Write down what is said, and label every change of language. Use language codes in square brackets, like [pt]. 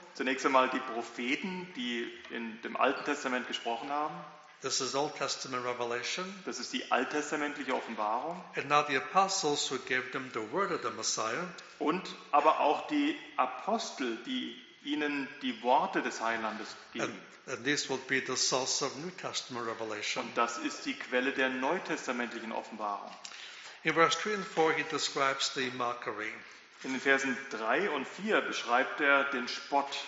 [de] Zunächst einmal die Propheten, die in dem Alten Testament gesprochen haben. [en] This is Old Testament revelation. [de] Das ist die alttestamentliche Offenbarung. [en] And now the apostles who gave them the word of the Messiah. [de] Und aber auch die Apostel, die ihnen die Worte des Heilandes geben. [en] And this will be the source of New Testament revelation. [de] Und das ist die Quelle der neutestamentlichen Offenbarung. [en] In verse 3 and 4 he describes the mockery. [de] In den Versen 3 und 4 beschreibt er den Spott.